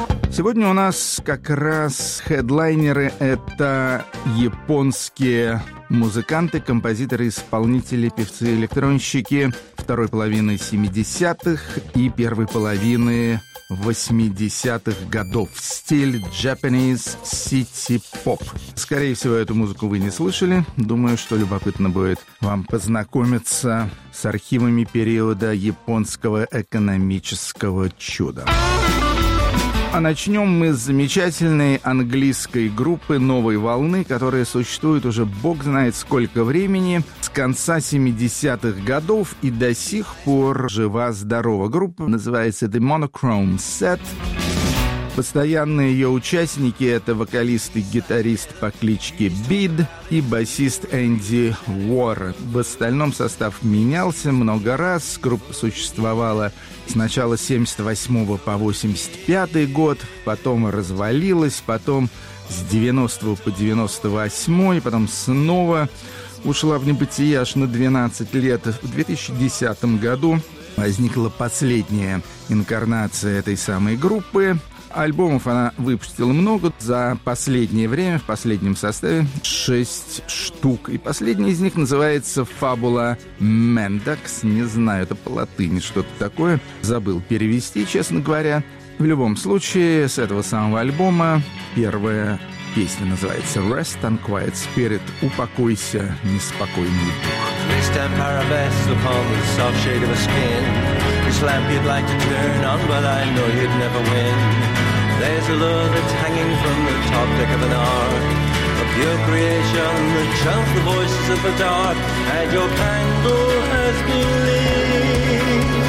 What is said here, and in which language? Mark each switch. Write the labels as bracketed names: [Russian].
[Russian] Сегодня у нас как раз хедлайнеры — это японские музыканты, композиторы, исполнители, певцы, электронщики второй половины 70-х и первой половины 80-х годов. Стиль Japanese City Pop. Скорее всего, эту музыку вы не слышали. Думаю, что любопытно будет вам познакомиться с архивами периода японского экономического чуда. А начнем мы с замечательной английской группы «Новой волны», которая существует уже бог знает сколько времени, с конца 70-х годов и до сих пор жива-здорова. Группа называется «The Monochrome Set». Постоянные ее участники — это вокалист и гитарист по кличке Бид и басист Энди Уорр. В остальном состав менялся много раз. Группа существовала с начала 78 по 85 год, потом развалилась, потом с 90 по 98, потом снова ушла в небытие аж на 12 лет. В 2010 году возникла последняя инкарнация этой самой группы. Альбомов она выпустила много за последнее время, в последнем составе 6 штук. И последний из них называется «Фабула Мендекс». Не знаю, это по-латыни что-то такое. Забыл перевести, честно говоря. В любом случае, с этого самого альбома первая песня называется «Rest and Quiet Spirit». «Упокойся, неспокойный дух». [English] Rest and paravest upon the soft shade of a skin. Which lamp you'd like to turn on, but I know you'd never win. There's a lure that's hanging from the top deck of an ark. A pure creation that chants the voices of the dark. And your candle has been lit.